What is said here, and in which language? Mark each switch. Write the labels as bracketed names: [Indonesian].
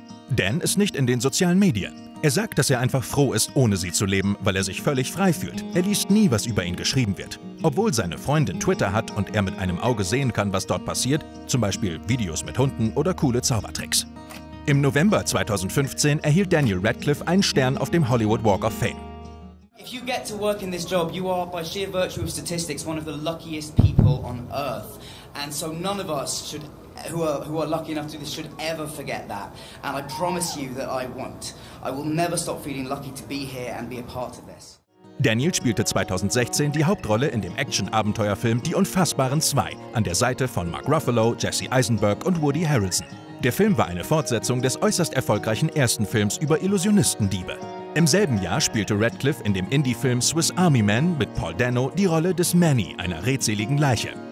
[German] Dan ist nicht in den sozialen Medien. Er sagt, dass er einfach froh ist, ohne sie zu leben, weil er sich völlig frei fühlt. Er liest nie, was über ihn geschrieben wird. Obwohl seine Freundin Twitter hat und er mit einem Auge sehen kann, was dort passiert, zum Beispiel Videos mit Hunden oder coole Zaubertricks. Im November 2015 erhielt Daniel Radcliffe einen Stern auf dem Hollywood Walk of Fame. [English] "If you get to work in this job, you are, by sheer virtue of statistics, one of the luckiest people on earth. And so none of us should who are lucky enough to do this should ever forget that. And I promise you that I won't. I will never stop feeling lucky to be here and be a part of this. [German] Daniel spielte 2016 die Hauptrolle in dem Action-Abenteuerfilm Die Unfassbaren 2 an der Seite von Mark Ruffalo, Jesse Eisenberg und Woody Harrelson. Der Film war eine Fortsetzung des äußerst erfolgreichen ersten Films über Illusionistendiebe. Im selben Jahr spielte Radcliffe in dem Indie-Film Swiss Army Man mit Paul Dano die Rolle des Manny, einer redseligen Leiche.